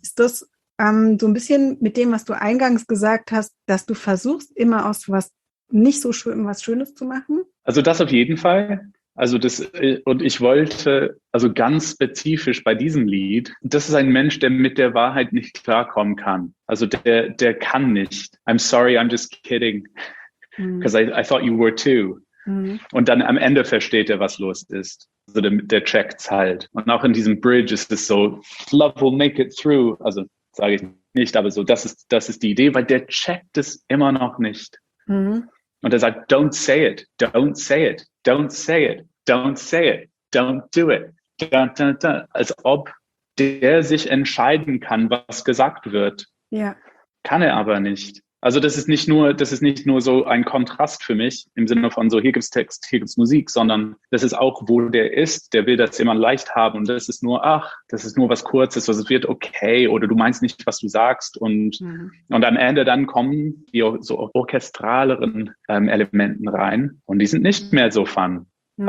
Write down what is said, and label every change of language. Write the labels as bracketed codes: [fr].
[de] Ist das so ein bisschen mit dem, was du eingangs gesagt hast, dass du versuchst, immer aus was nicht so schön, was Schönes zu machen? Also das auf jeden Fall. Also das, und ich wollte, also ganz spezifisch bei diesem Lied, das ist ein Mensch, der mit der Wahrheit nicht klarkommen kann. Also der kann nicht. [en] I'm sorry, I'm just kidding. Because I thought you were too. [de] Und dann am Ende versteht er, was los ist. Also der checkt's halt. Und auch in diesem Bridge ist es so, [en] love will make it through. [de] Also sage ich nicht, aber so, das ist die Idee, weil der checkt es immer noch nicht. Mhm. Und er sagt, [en] don't say it, don't say it, don't say it, don't say it, don't do it. Dun, dun, dun. [de] Als ob der sich entscheiden kann, was gesagt wird. Ja. Kann er aber nicht. Also das ist nicht nur so ein Kontrast für mich im Sinne von so, hier gibt's Text, hier gibt's Musik, sondern das ist auch, wo der ist, der will das immer leicht haben und das ist nur, ach, das ist nur was Kurzes, was es wird okay oder du meinst nicht, was du sagst und am Ende dann kommen die so orchestraleren Elementen rein und die sind nicht mehr so fun. Mhm.